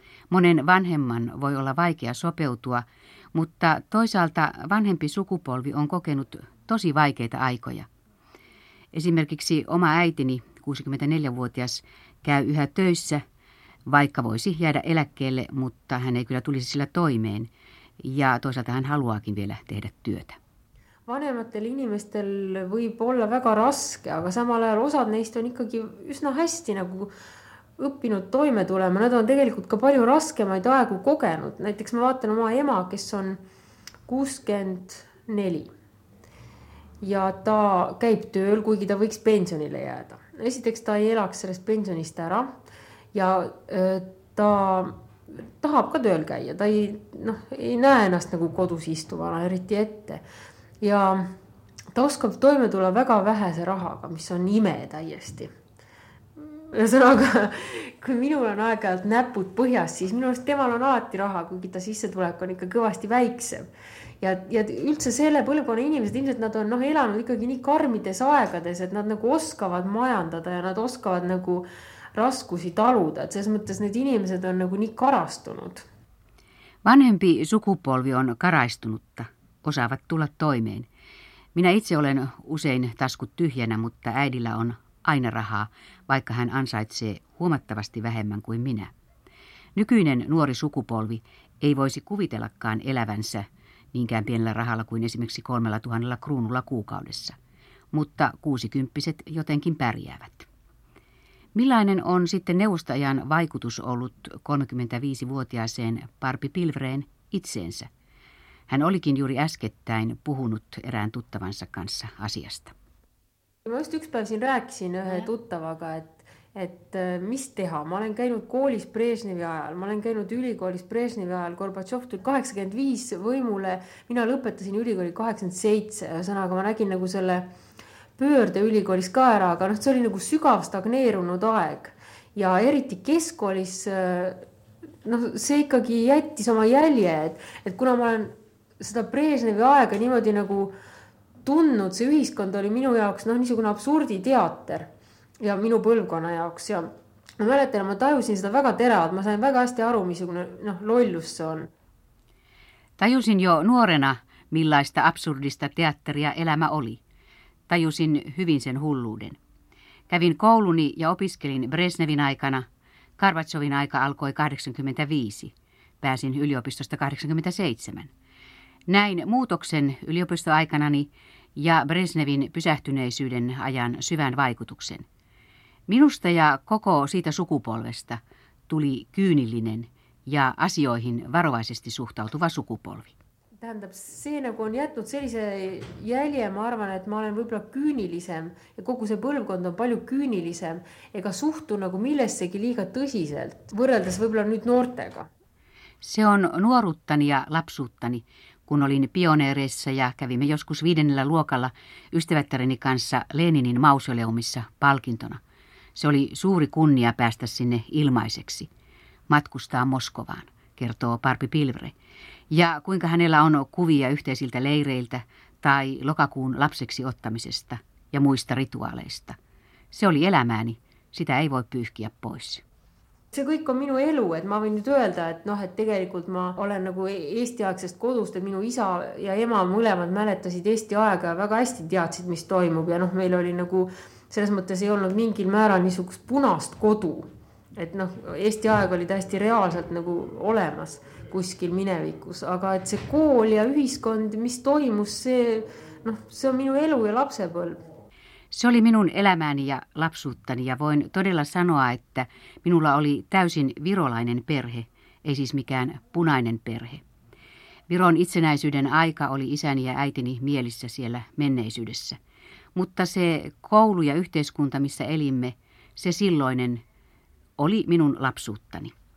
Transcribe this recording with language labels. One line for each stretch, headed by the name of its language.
Finnish: Monen vanhemman voi olla vaikea sopeutua, mutta toisaalta vanhempi sukupolvi on kokenut tosi vaikeita aikoja. Esimerkiksi oma äitini, 64-vuotias, käy yhä töissä, vaikka voisi jäädä eläkkeelle, mutta hän ei kyllä tulisi sillä toimeen. Ja toisaalta hän haluaakin vielä tehdä työtä.
Estonian: Vanematel inimestel võib olla väga raske, aga samal ajal osad neist on ikkagi üsna hästi nagu õppinud toime tulema, nad on tegelikult ka palju raskemaid aegu kogenud. Näiteks ma vaatan oma ema, kes on 64 ja ta käib tööl, kuigi ta võiks pensionile jääda. Esiteks ta ei elaks sellest pensionist ära ja ta tahab ka tööl käia, ta ei näe ennast nagu kodus istuvana eriti ette ja ta oskab toime tulla väga vähese rahaga, mis on ime täiesti. Ja sõnaga, kui minul on aegajalt näpud põhjas, siis minu arust temal on alati raha, kuigi ta sisse tulek on ikka kõvasti väiksem. Ja üldse selle põlvkonna inimesed, ilmselt nad on elanud ikkagi nii karmides aegades, et nad nagu oskavad majandada ja nad oskavad nagu raskusi taluda. Et selles mõttes need inimesed on nagu nii karastunud.
Finnish: Vanhempi sukupolvi on karaistunutta, osaavat tulla toimeen. Minä itse olen usein taskut tyhjänä, mutta äidillä on aina rahaa, vaikka hän ansaitsee huomattavasti vähemmän kuin minä. Nykyinen nuori sukupolvi ei voisi kuvitellakaan elävänsä niinkään pienellä rahalla kuin esimerkiksi 3 000 kruunulla kuukaudessa, mutta 60-vuotiaat jotenkin pärjäävät. Millainen on sitten neuvostajan vaikutus ollut 35-vuotiaaseen Parpi Pilvreen itseensä? Hän olikin juuri äskettäin puhunut erään tuttavansa kanssa asiasta.
Estonian: Ma just üks päev siin rääkisin ühe tuttavaga, et mis teha. Ma olen käinud koolis Brežnevi ajal, ma olen käinud ülikoolis Brežnevi ajal. Gorbatšov tuli 85 võimule, mina lõpetasin ülikooli 87. Sõnaga ma nägin nagu selle pöörde ülikoolis ka ära, aga noh, see oli nagu sügav stagneerunud aeg. Ja eriti keskkoolis, noh, see ikkagi jättis oma jälje, et kuna ma olen seda Brežnevi aega niimoodi nagu tunnud, see ühiskond oli minu jaoks noh, niisugune absurdi teater ja minu põlvkonna jaoks ja ma mäletan, ma tajusin seda väga teravalt, ma sain väga hästi aru, missugune noh, lollus see on.
Finnish: Tajusin jo nuorena, millaista absurdista teatteria elämä oli. Tajusin hyvin sen hulluuden. Kävin kouluni ja opiskelin Brežnevin aikana. Gorbatšovin aika alkoi 85. Pääsin yliopistosta 87. Näin muutoksen yliopistoaikanani ja Brežnevin pysähtyneisyyden ajan syvän vaikutuksen. Minusta ja koko siitä sukupolvesta tuli kyynillinen ja asioihin varovaisesti suhtautuva sukupolvi.
Estonian: Tähendab, see nagu on jätnud sellise jälje, ma arvan, et ma olen võibolla küünilisem ja kogu see põlvkond on palju küünilisem, ega suhtu nagu millessegi liiga tõsiselt, võrreldes võibolla nüüd noortega.
Finnish: Se on nuoruttani ja lapsuuttani, kun olin pioneereissa ja kävimme joskus viidennellä luokalla ystävättäreni kanssa Leninin mausoleumissa palkintona. Se oli suuri kunnia päästä sinne ilmaiseksi, matkustaa Moskovaan, kertoo Parpi Pilvre. Ja kuinka hänellä on kuvia yhteisiltä leireiltä tai lokakuun lapseksi ottamisesta ja muista rituaaleista. Se oli elämääni, sitä ei voi pyyhkiä pois.
Estonian: See kõik on minu elu, et ma võin nüüd öelda, et noh, et tegelikult ma olen nagu eestiaegsest kodust, et minu isa ja ema mõlemad mäletasid Eesti aega ja väga hästi teadsid, mis toimub ja noh, meil oli nagu selles mõttes ei olnud mingil määral niisugust punast kodu, et noh, Eesti aega oli täiesti reaalselt nagu olemas kuskil minevikus, aga et see kool ja ühiskond, mis toimus, see noh, see on minu elu ja lapsepõlv.
Finnish: Se oli minun elämäni ja lapsuuttani ja voin todella sanoa, että minulla oli täysin virolainen perhe, ei siis mikään punainen perhe. Viron itsenäisyyden aika oli isäni ja äitini mielissä siellä menneisyydessä. Mutta se koulu ja yhteiskunta, missä elimme, se silloinen oli minun lapsuuttani.